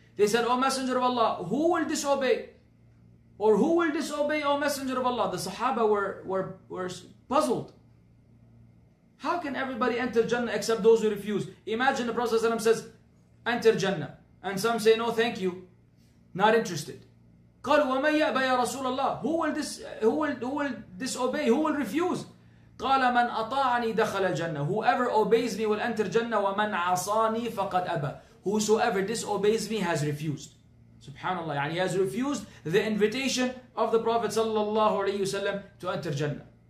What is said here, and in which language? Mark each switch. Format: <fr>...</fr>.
<en>They said, "O Messenger of Allah, who will disobey?" Or who will disobey, O Messenger of Allah? The Sahaba were puzzled. How can everybody enter Jannah except those who refuse? Imagine the Prophet ﷺ says, enter Jannah. And some say, no, thank you. Not interested.</en> <ar>قَالُوا وَمَنْ يَأْبَى يَا رَسُولَ اللَّهِ</ar> <en>Who will disobey? Who will refuse?</en> <ar>قَالَ مَنْ أَطَاعَنِي دَخَلَ الْجَنَّةِ</ar> <en>Whoever obeys me will enter Jannah.</en> <ar>وَمَنْ عَصَانِي فَقَدْ أَبَى</ar> <en>Whosoever disobeys me has refused. SubhanAllah. And he has refused the invitation of the Prophet ﷺ to enter Jannah.</en>